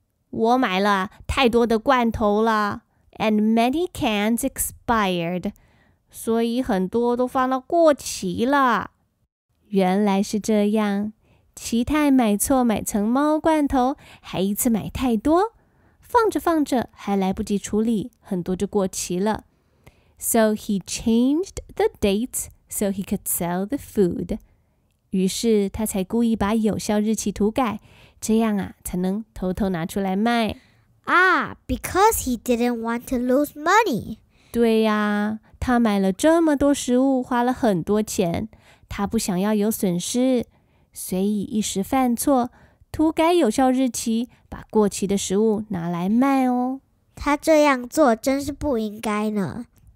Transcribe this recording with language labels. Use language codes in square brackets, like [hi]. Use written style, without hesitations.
[zh] 我买了太多的罐头了 ， [en] and many cans expired. [zh] 所以很多都放到过期了。原来是这样，奇泰买错买成猫罐头，还一次买太多，放着放着还来不及处理，很多就过期了。 [en] So he changed the dates so he could sell the food. [zh] 于是他才故意把有效日期涂改，这样啊才能偷偷拿出来卖。 [en] Ah, because he didn't want to lose money. [zh] 对呀，他买了这么多食物，花了很多钱，他不想要有损失，所以一时犯错，涂改有效日期，把过期的食物拿来卖哦。他这样做真是不应该呢。